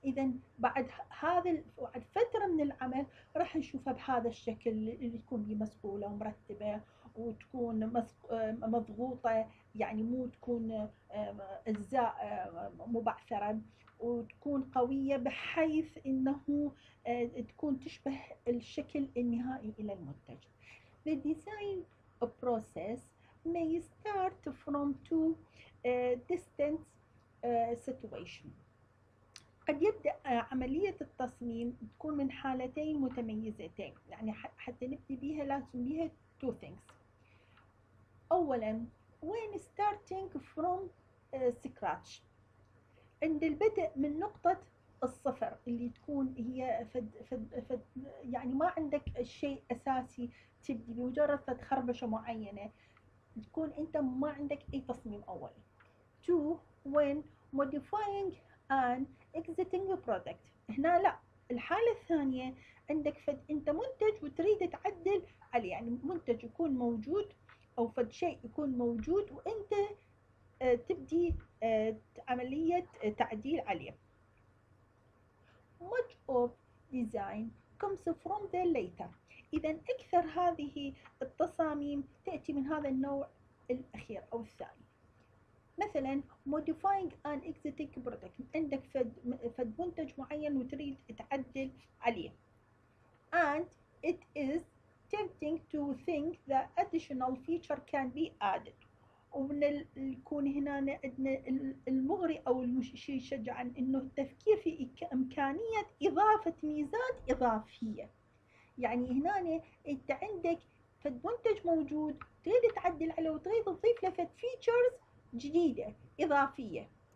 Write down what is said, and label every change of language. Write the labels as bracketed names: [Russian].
[Arabic] إذن بعد هذا بعد فترة من العمل راح نشوفها بهذا الشكل اللي تكون مصقولة ومرتبة وتكون مضغوطة، يعني مو تكون أجزاء مبعثرة، وتكون قوية بحيث إنه تكون تشبه الشكل النهائي إلى المنتج. [English] The design process may start from two distant situations. [Arabic] قد يبدأ عملية التصميم تكون من حالتين متميزتين، يعني حتى نبدأ بها لازم بها [English] two things. [Arabic] أولاً، [English] when starting from scratch، [Arabic] عند البدء من نقطة الصفر اللي تكون هي فد يعني ما عندك شيء أساسي تبدي بمجرد تخربشة معينة تكون أنت ما عندك أي تصميم أولي. [English] 2 when modifying and exiting a product. [Arabic] هنا لا، الحالة الثانية عندك فد أنت منتج وتريد تعدل عليه، يعني منتج يكون موجود أو فد شيء يكون موجود وأنت تبدي عملية تعديل عليه. [English] Much of design comes from the later. [Arabic] إذا أكثر هذه التصاميم تأتي من هذا النوع الأخير أو الثاني. مثلا [English] modifying and exiting product، [Arabic] عندك فد منتج معين وتريد تعدل عليه. [English] And it is tempting to think that additional feature can be added. [Arabic] ومن يكون هنا عندنا المغري او الشيء يشجع انه التفكير في امكانيه اضافه ميزات اضافيه. يعني هنا انت عندك فد منتج موجود تريد تعدل عليه وتريد تضيف له فد فيتشرز جديده اضافيه.